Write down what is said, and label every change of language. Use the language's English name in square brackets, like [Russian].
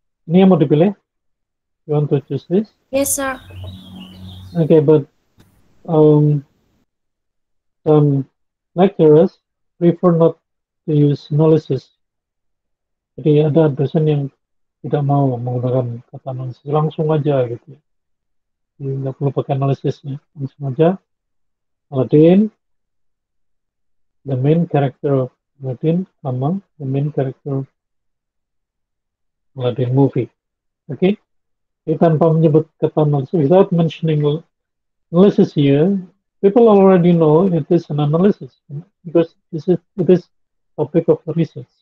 [Indonesian] Ini yang mau dipilih? [English] You want to choose this? Yes, sir. Okay, but some lecturers prefer not to use analysis. [Indonesian] Jadi ada dosen yang tidak mau menggunakan kata analisis, langsung aja gitu. Jadi nggak perlu pakai analisisnya, langsung aja. [English] Aladdin, the main character of Aladdin, sama the main character of Aladdin movie. Oke, okay? [Indonesian] Jadi tanpa menyebut kata analisis, [English] without mentioning analysis here, people already know it is an analysis, because it is topic of research.